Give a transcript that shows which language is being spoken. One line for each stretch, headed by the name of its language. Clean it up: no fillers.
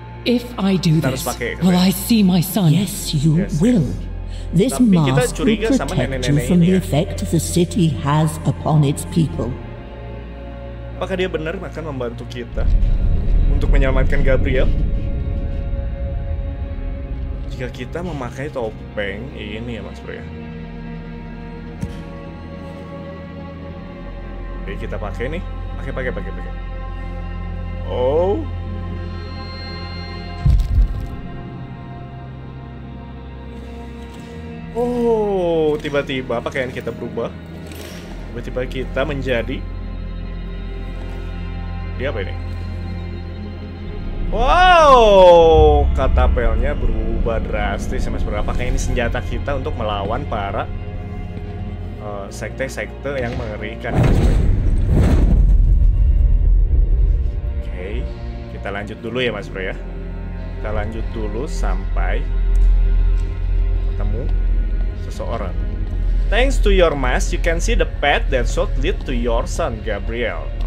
English: If I do this, will I see my son? Yes, you will. This mask will protect you from the effect the city has upon its people.
Indonesian: Apakah dia benar akan membantu kita untuk menyelamatkan Gabriel? Jika kita memakai topeng ini ya, Mas Bro ya. Oke, kita pakai nih. Pakai. Oh. Oh, tiba-tiba pakaian kita berubah. Tiba-tiba kita menjadi dia apa ini? Wow, katapelnya berubah drastis ya, Mas Bro. Apakah ini senjata kita untuk melawan para sekte-sekte yang mengerikan, Mas Bro? Oke, kita lanjut dulu ya, Mas Bro ya. Kita lanjut dulu sampai ketemu seorang.
English: Thanks to your mask, you can see the path that should lead to your son, Gabriel.